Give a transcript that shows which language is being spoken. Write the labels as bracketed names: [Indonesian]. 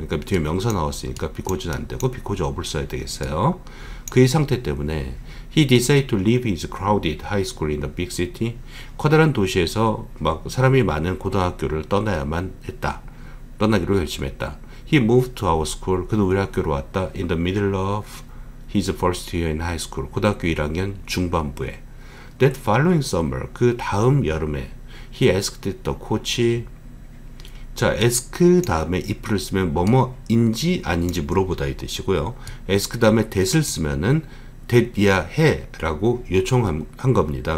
[Korean] 그러니까 뒤에 명사 나왔으니까 because는 안 되고 because of을 써야 되겠어요. 그의 상태 때문에 [English] he decided to leave his crowded high school in the big city. [Korean] 커다란 도시에서 막 사람이 많은 고등학교를 떠나야만 했다. 떠나기로 결심했다. [English] He moved to our school. [Korean] 그는 우리 학교로 왔다. [English] In the middle of his first year in high school. [Korean] 고등학교 1학년 중반부에. [English] That following summer. [Korean] 그 다음 여름에. [English] He asked the coach. [Korean] 자, ask 다음에 if를 쓰면 뭐뭐인지 아닌지 물어보다 이 뜻이고요. ask 다음에 that을 쓰면은 that이야 해 라고 요청한 겁니다.